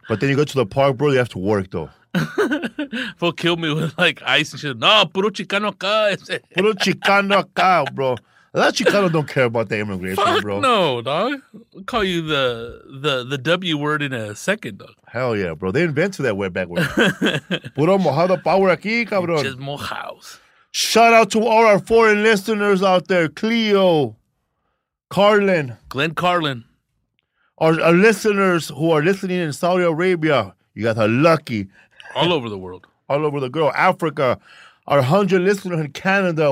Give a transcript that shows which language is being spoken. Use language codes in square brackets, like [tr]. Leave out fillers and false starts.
[en] But then you go to the park, bro, you have to work, though. Fool killed me with like ice and shit. [es] No, puro Chicano acá. Puro Chicano acá, bro. [en] A lot of Chicanos don't care about the immigration, fuck bro. No, dog. I'll call you the W word in a second, dog. Hell yeah, bro. They invented that way back when. [es] Puro mojado power aquí, cabrón. [en] Just mojados. Shout out to all our foreign listeners out there. Cleo, Carlin. Glenn Carlin. Our listeners who are listening in Saudi Arabia, you guys are lucky. All over the world. All over the world. Africa. Our 100 listeners in Canada.